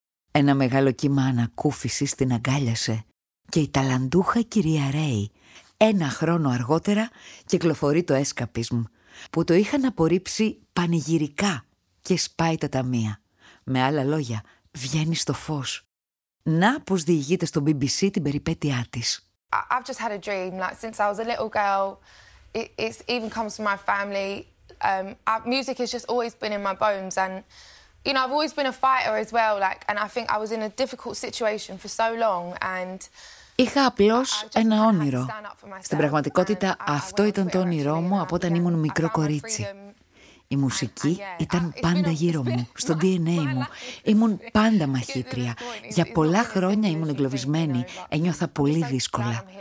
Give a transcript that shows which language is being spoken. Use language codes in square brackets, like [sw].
[el] Ένα μεγάλο κύμα ανακούφισης την αγκάλιασε και η ταλαντούχα κυρία Ρέι, ένα χρόνο αργότερα, κυκλοφορεί το Escapism, που το είχαν απορρίψει πανηγυρικά και σπάει τα ταμεία. Με άλλα λόγια, βγαίνει στο φως. Να πως διηγείται στο BBC την περιπέτειά της. [en] I've just had a dream, like since I was a little girl. It even comes from my family. Music has just always been in my bones, and you know I've always been a fighter as well. Like, and I think I was in a difficult situation for so long, and [el] είχα απλώς ένα όνειρο. Στην πραγματικότητα, αυτό ήταν το όνειρό μου από όταν ήμουν μικρό κορίτσι. Η μουσική ήταν πάντα γύρω μου, στο DNA μου. Ήμουν πάντα μαχήτρια. Για πολλά χρόνια ήμουν εγκλωβισμένη, ένιωθα πολύ δύσκολα.